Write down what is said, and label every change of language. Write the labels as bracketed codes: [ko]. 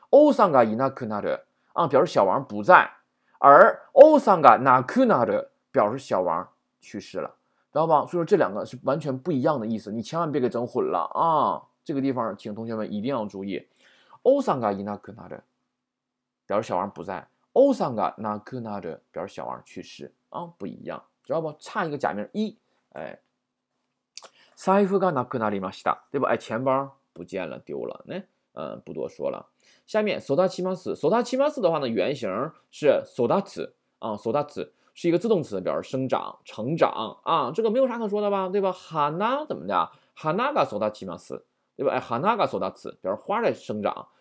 [ja] 奥さんがいなくなる [zh] 啊，表示小王不在，而 [ja] 奥さんがなくなる [zh] 表示小王去世了，知道吧？所以说这两个是完全不一样的意思，你千万别给整混了啊！这个地方请同学们一定要注意， [ja] 奥さんがいなくなる [zh] 表示小王不在， [ja] 奥さんがなくなる [zh] 表示小王去世啊，不一样，知道不？差一个假名一，哎， [ja] 財布がなくなりました， [zh] 对吧？哎，钱包不见了，丢了呢。不多说了。下面育ちます，育ちます的话呢，原型是育つ啊，育つ是一个自动词，表示生长、成长啊，这个没有啥可说的吧，对吧？花怎么的？ [ja] 花が育ちます。 [zh] 对吧？哎， [ja] 花が育つ， [zh] 表示花在生长。